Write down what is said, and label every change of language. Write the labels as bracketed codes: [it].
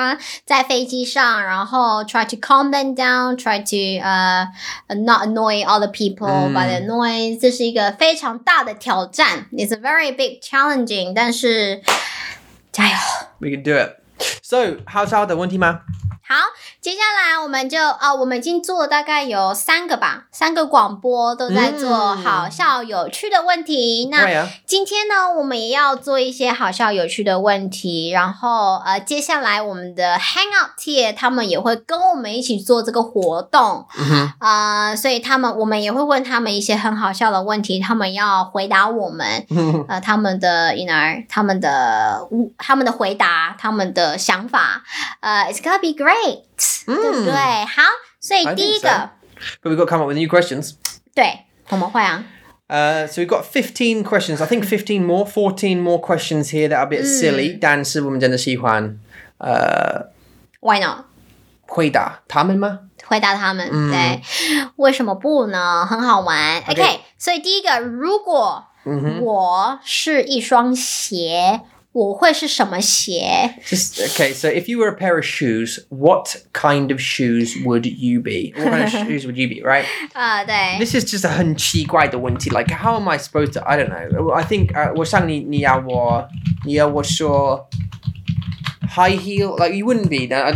[zh] 然后两个小朋友在飞机上 然后 [en] try to calm them down, try to not annoy all the people by the noise. [zh] 这是一个非常大的挑战。 [en] It's a very big challenging, [zh] 但是 加油, [en] we can do it. So, how's all the [zh] 问题吗? 好，接下来我们就我们已经做了大概有三个吧，三个广播都在做好笑有趣的问题。那今天呢，我们也要做一些好笑有趣的问题。然后接下来我们的 Hangout 贴，他们也会跟我们一起做这个活动。所以他们我们也会问他们一些很好笑的问题，他们要回答我们。他们的 [en] you know [zh] 他们的回答，他们的想法。 [en] It's gonna be great. [zh] 对不对？好，所以第一个， [en] so. But we've got to come up with new questions. [zh] 对，我们会啊。 [en] So we've got 15 questions. I think 15 more, 14 more questions here that are a bit silly. [zh] 但是我们真的喜欢。 [en] Why not? [zh] 回答他们吗？回答他们，对。为什么不呢？很好玩。 OK，所以第一个，如果我是一双鞋。我会是什么鞋? [en] Just, okay, so if you were a pair of shoes, what kind of shoes would you be? What kind of shoes would you be, right? [zh] 对。 [en] This is just a [zh] 很奇怪的问题, [en] like, how am I supposed to, I don't know. I think, [zh] 我想你要我说 [en] high heel, like, you wouldn't be.